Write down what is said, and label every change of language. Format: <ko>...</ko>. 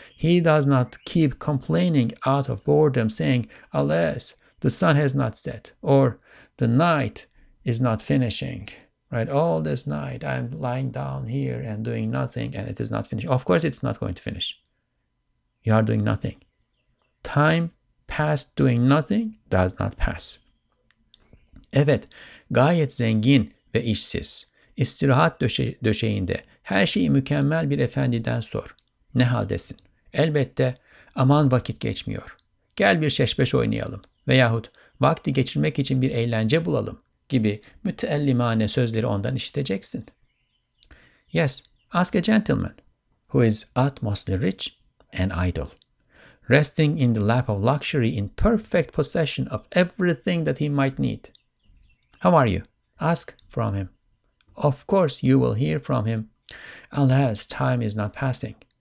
<en>He does not keep complaining out of boredom, saying, alas, the sun has not set, or the night is not finishing. Right? All this night I'm lying down here and doing nothing and it is not finishing. Of course it's not going to finish. You are doing nothing. Time past doing nothing does not pass.</en> <tr>Evet, gayet zengin ve işsiz, istirahat döşeğinde her şeyi mükemmel bir efendiden sor. Ne haldesin? Elbette, aman vakit geçmiyor. Gel bir şeşbeş oynayalım veyahut vakti geçirmek için bir eğlence bulalım gibi müteellimane sözleri ondan işiteceksin.</tr> <en>Yes, ask a gentleman who is utmostly rich and idle, resting in the lap of luxury in perfect possession of everything that he might need. How are you? Ask from him. Of course you will hear from him. Alas, time is not passing.</en>